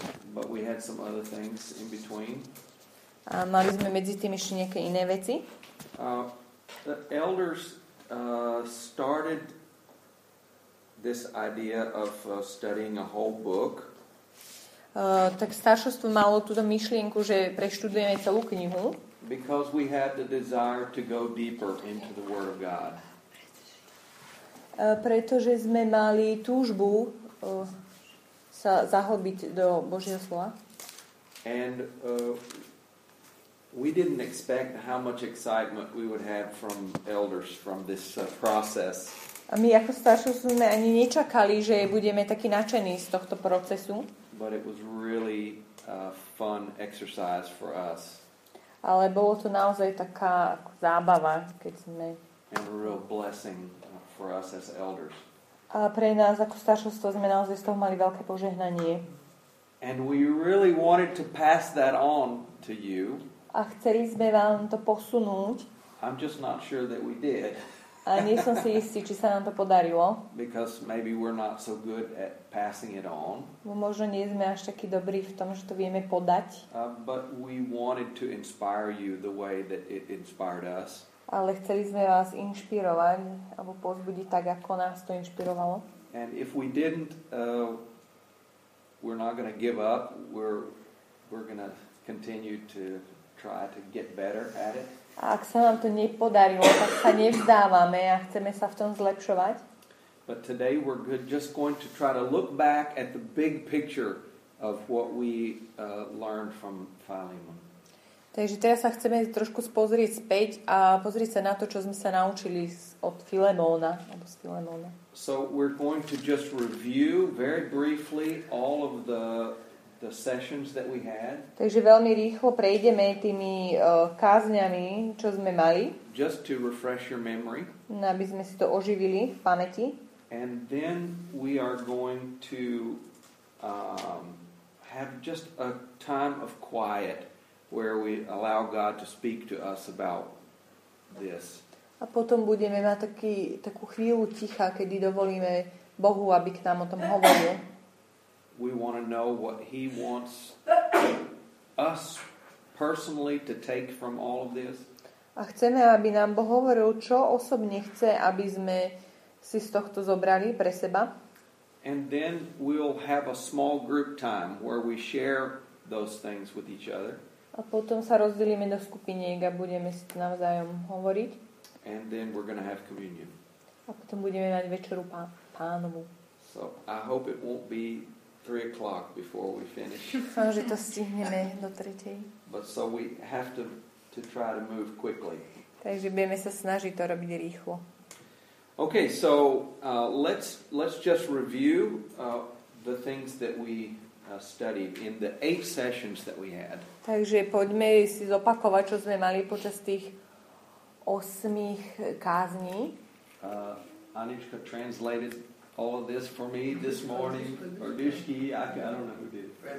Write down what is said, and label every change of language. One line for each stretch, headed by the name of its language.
English: But we had some other things in between.
Slovak: A mali sme medzi tým ešte nejaké iné veci.
English: The elders started this idea of studying a whole book.
Slovak: Tak staršovstvo malo túto myšlienku, že preštudujeme celú knihu.
English: Because we had the desire to go deeper into the word of God.
Slovak: Pretože sme mali túžbu sa zahlbiť do Božieho slova.
English: And we didn't expect how much excitement we would have from elders from this process.
Slovak: A my ako staršie sme ani nečakali, že budeme takí nadšení z tohto procesu.
English: But it was really a fun exercise for us.
Slovak: Ale bolo to naozaj taká zábava, keď sme
English: and a real blessing for us as elders.
Slovak: A pre nás ako staršovstvo sme naozaj z toho mali veľké požehnanie.
English: And we really wanted to pass that on to you.
Slovak: A chceli sme vám to posunúť.
English: I'm just not sure that we did.
Slovak: A nie som si istý, či sa nám to podarilo.
English: Because maybe we're not so good at passing it on.
Slovak: Možno nie sme až taký dobrí v tom, že to vieme podať.
English: But we wanted to inspire you the way that it inspired us.
Slovak: Ale chceli sme vás inšpirovať alebo povzbudiť tak, ako nás to inšpirovalo.
English: And if we didn't, we're not going to give up. We're going to continue to try to get better at it.
Slovak: A ak sa nám to nepodarilo, tak sa nevzdávame a chceme sa v tom zlepšovať.
English: But today we're just going to try to look back at the big picture of what we learned from Philemon.
Slovak: Takže teraz sa chceme trošku pozrieť späť a pozrieť sa na to, čo sme sa naučili od Filemóna, alebo z Filemóna.
English: So we're going to just review very briefly all of the sessions that we had.
Slovak: Takže veľmi rýchlo prejdeme tými kázňami, čo sme mali.
English: Just to refresh your memory.
Slovak: Aby sme si to oživili v pamäti.
English: And then we are going to have just a time of quiet where we allow God to speak to us about this.
Slovak: A potom budeme mať takú chvíľu ticha, kedy dovolíme Bohu, aby k nám o tom hovoril.
English: We want to know what he wants us personally to take from all of this.
Slovak: A chceme, aby nám Boh hovoril, čo osobne chce, aby sme si z tohto zobrali pre seba.
English: And then we'll have a small group time where we share those things with each other.
Slovak: A potom sa rozdelíme do skupiniek a budeme si to navzájom hovoriť.
English: And then we're gonna have communion.
Slovak: A potom budeme mať večeru pánovu.
English: So I hope it won't be 3 o'clock before we finish.
Slovak: Dúfam, že to stihneme do 3.
English: But so we have to try to move quickly.
Slovak: Takže budeme sa snažiť to robiť rýchlo.
English: Okay, so let's just review the things that we studied in the 8 sessions that we had.
Slovak: Takže poďme si zopakovať, čo sme mali počas tých 8 kázní.
English: Anička translated all of this for me this morning. Or Dushky, I don't know who did.